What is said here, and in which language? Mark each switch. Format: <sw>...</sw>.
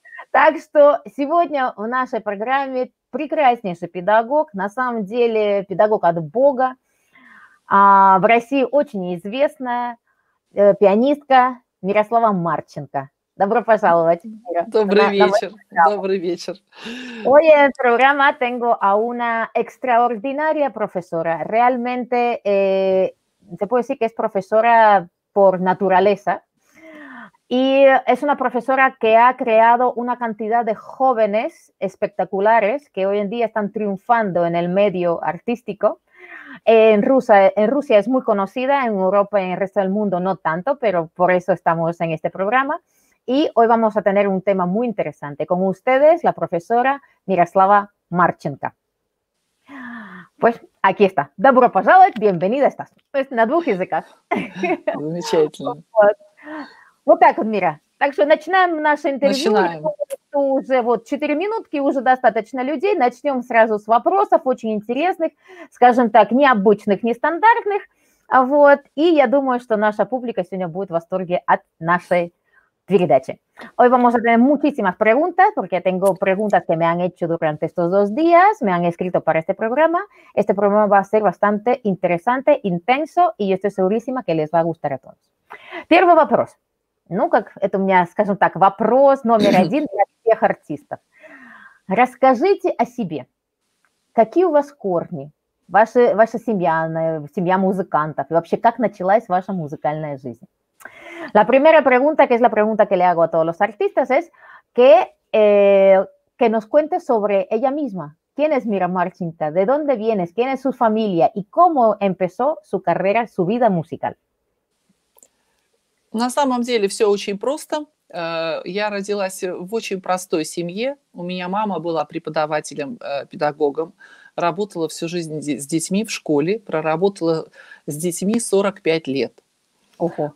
<ru>Так что сегодня в нашей программе прекраснейший педагог, на самом деле педагог от Бога, в России очень известная пианистка Мирослава Марченко. Добро пожаловать, Мира. Добрый вечер.</ru> <es>Hoy en el programa tengo a una extraordinaria profesora. Realmente, se puede decir que es profesora por naturaleza. Y es una profesora que ha creado una cantidad de jóvenes espectaculares que hoy en día están triunfando en el medio artístico. En Rusia es muy conocida, en Europa y en el resto del mundo no tanto, pero por eso estamos en este programa. Y hoy vamos a tener un tema muy interesante con ustedes, la profesora Мирослава Марченко. Pues aquí está.</es> <ru>Добро пожаловать,</ru> <es>bienvenida estás. Pues</es> <ru>на двух языках. Замечательно. Вот так вот, Мира. Так что начинаем наше интервью. Начинаем. Уже вот 4 минутки, уже достаточно людей. Начнем сразу с вопросов очень интересных, скажем так, необычных, нестандартных. Вот. И я думаю, что наша публика сегодня будет в восторге от нашей передачи.</ru> <es>Hoy vamos a tener muchísimas preguntas, porque tengo preguntas que me han hecho durante estos dos días, me han escrito para este programa. Este programa va a ser bastante interesante, intenso, y yo estoy segurísima que les va a gustar a todos.</es> <ru>Первый вопрос. Ну, как это у меня, скажем так, вопрос номер один для всех артистов. Расскажите о себе. Какие у вас корни? Ваша семья, семья музыкантов? И вообще, как началась ваша музыкальная жизнь?</ru> <es>La primera pregunta, que es la pregunta que le hago a todos los artistas, es que nos cuente sobre ella misma. ¿Quién es Miramar Cinta? ¿De dónde vienes? ¿Quién es su familia? ¿Y cómo empezó su carrera, su vida musical?</es> <ru>На самом деле все очень просто. Я родилась в очень простой семье. У меня мама была преподавателем, педагогом. Работала всю жизнь с детьми в школе. Проработала с детьми 45 лет. Ого.</ru>